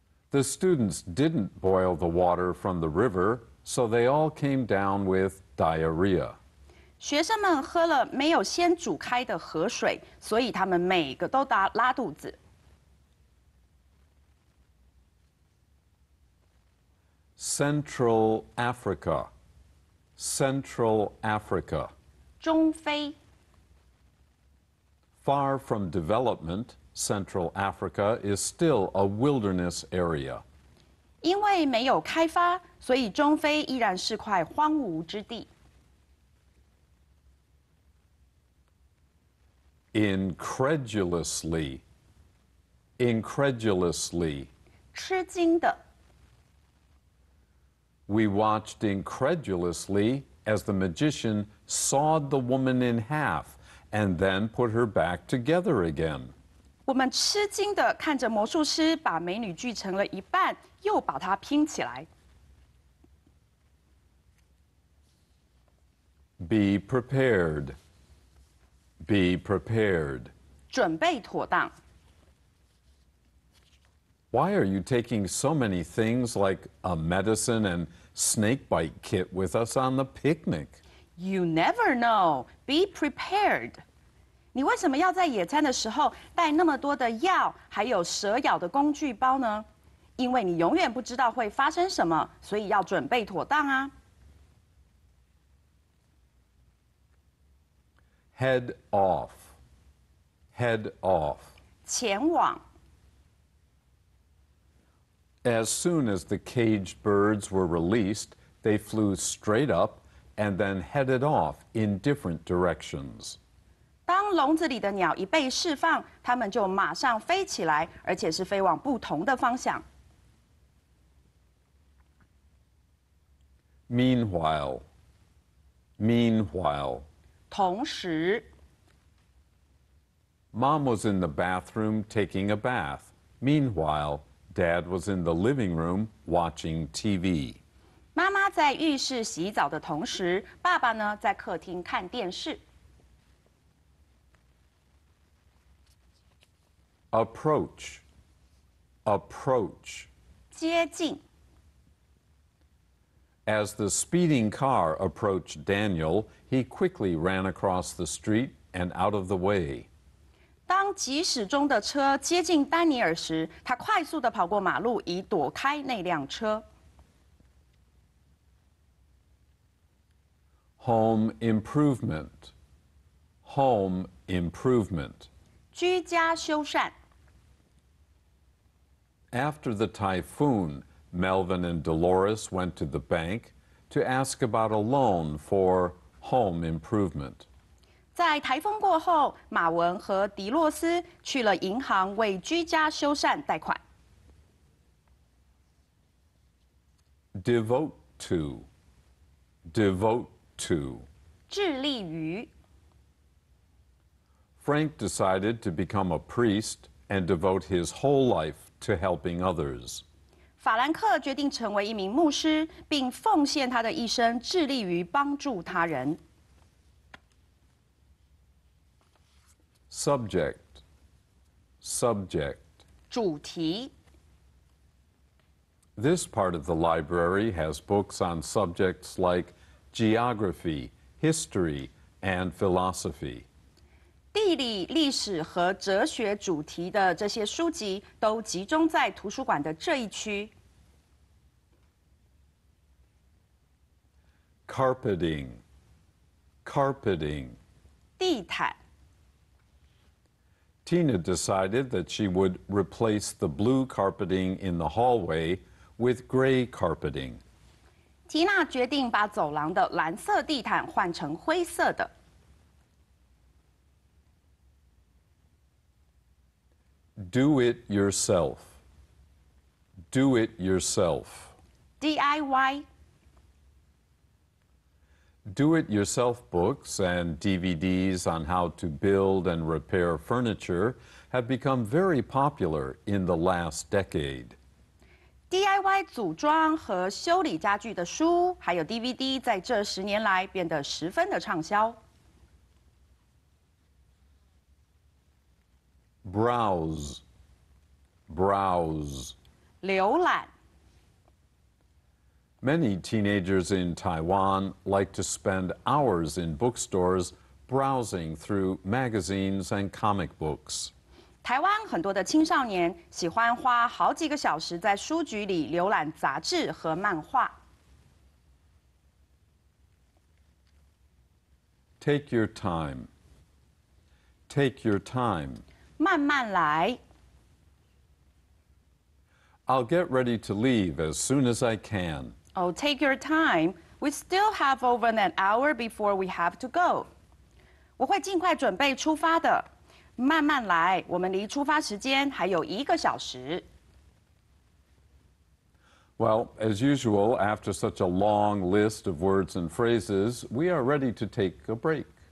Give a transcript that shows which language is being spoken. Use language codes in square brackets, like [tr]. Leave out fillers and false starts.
[en] The students didn't boil the water from the river, so they all came down with. Diarrhea. [zh] 学生们喝了没有先煮开的河水，所以他们每个都拉肚子。 [en] Central Africa. Central Africa. [zh] 中非。 [en] Far from development, Central Africa is still a wilderness area. [zh] 因为没有开发，所以中非依然是块荒芜之地。 [en] Incredulously, incredulously, [zh] 吃惊的 [en] We watched incredulously as the magician sawed the woman in half and then put her back together again. [zh] 我们吃惊的看着魔术师把美女锯成了一半，又把她拼起来。 [en] Be prepared. Be prepared. [zh] 准备妥当。 [en] Why are you taking so many things like a medicine and snake bite kit with us on the picnic? You never know. Be prepared. [zh] 你为什么要在野餐的时候带那么多的药还有蛇咬的工具包呢？因为你永远不知道会发生什么，所以要准备妥当啊。 [en] Head off. Head off. [zh] 前往。 [en] As soon as the caged birds were released, they flew straight up and then headed off in different directions. [zh] 当笼子里的鸟一被释放，它们就马上飞起来，而且是飞往不同的方向。 [en] Meanwhile. Meanwhile. [zh] 同时 [en] Mom was in the bathroom taking a bath. Meanwhile, Dad was in the living room watching TV. [zh] 妈妈在浴室洗澡的同时，爸爸呢在客厅看电视。 [en] Approach. Approach. [zh] 接近。 [en] As the speeding car approached Daniel, he quickly ran across the street and out of the way. [zh] 当疾驶中的车接近丹尼尔时，他快速地跑过马路以躲开那辆车。 [en] Home improvement. Home improvement. [zh] 居家修缮。 [en] After the typhoon, Melvin and Dolores went to the bank.To ask about a loan for home improvement. [zh] 在台风过后，马文和迪洛斯去了银行为居家修缮贷款。 [en] Devote to, devote to. [zh] 致力于。 [en] Frank decided to become a priest and devote his whole life to helping others. [zh] 法兰克决定成为一名牧师，并奉献他的一生，致力于帮助他人。 [en] Subject, subject. [zh] 主题。 [en] This part of the library has books on subjects like geography, history, and philosophy. [zh] 地理、历史和哲学主题的这些书籍都集中在图书馆的这一区。 [en] Carpeting, carpeting. [zh] 地毯。 [en] Tina decided that she would replace the blue carpeting in the hallway with gray carpeting. [zh] Tina 决定把走廊的蓝色地毯换成灰色的。 [en] Do it yourself. Do it yourself. DIY. Do it yourself books and DVDs on how to build and repair furniture have become very popular in the last decade. [zh] DIY 组装和修理家具的书还有 DVD 在这十年来变得十分的畅销。 [en] Browse, browse. [zh] 浏览。 [en] Many teenagers in Taiwan like to spend hours in bookstores browsing through magazines and comic books. [zh] 台湾很多的青少年喜欢花好几个小时在书局里浏览杂志和漫画。 [en] Take your time. Take your time. [zh] 慢慢来。 [en] I'll get ready to leave as soon as I can. Oh, take your time. We still have over an hour before we have to go. [zh] 我会尽快准备出发的。慢慢来，我们离出发时间还有一个小时。 [en] Well, as usual, after such a long list of words and phrases, we are ready to take a break.